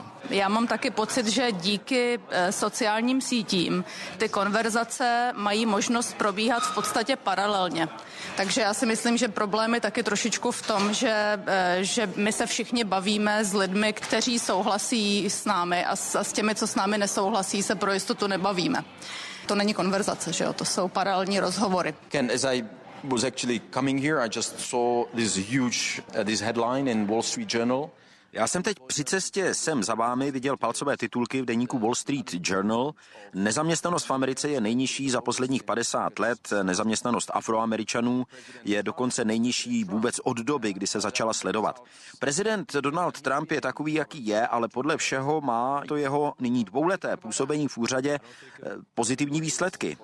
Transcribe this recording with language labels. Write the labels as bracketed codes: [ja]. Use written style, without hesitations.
[cs] Já mám taky pocit, že díky sociálním sítím ty konverzace mají možnost probíhat v podstatě paralelně. Takže já si myslím, že problém je taky trošičku v tom, že my se všichni bavíme s lidmi, kteří souhlasí s námi a s těmi, co s námi nesouhlasí, se pro jistotu nebavíme. To není konverzace, že jo? To jsou paralelní rozhovory. [en] Ken, as I was actually coming here, I just saw this headline in Wall Street Journal. [cs] Já jsem teď při cestě sem za vámi viděl palcové titulky v deníku Wall Street Journal. Nezaměstnanost v Americe je nejnižší za posledních 50 let. Nezaměstnanost Afroameričanů je dokonce nejnižší vůbec od doby, kdy se začala sledovat. Prezident Donald Trump je takový, jaký je, ale podle všeho má to jeho nyní dvouleté působení v úřadě pozitivní výsledky.